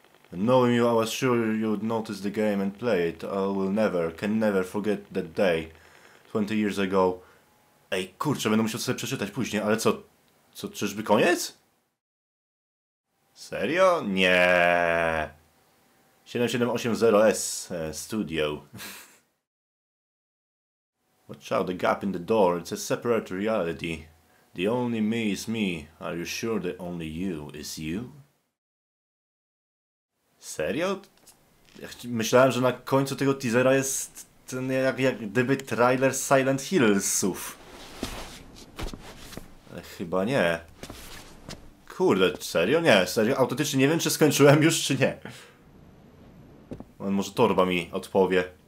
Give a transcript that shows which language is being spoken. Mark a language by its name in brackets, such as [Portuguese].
[English] Knowing you, I was sure you'd notice the game and play it. I will never, can never forget that day. 20 years ago. [Polish] Ej, kurczę, będę musiał sobie przeczytać później, ale co? Co, czyżby koniec? Serio? Nie. 7780S Studio. [English] Watch out the gap in the door, it's a separate reality. The only me is me. Are you sure the only you is you? [Polish] Serio? Ja myślałem, że na końcu tego teasera jest ten jak gdyby trailer Silent Hillsów. Ale chyba nie. Kurde, serio? Nie, serio. Autentycznie nie wiem, czy skończyłem już, czy nie. Może torba mi odpowie.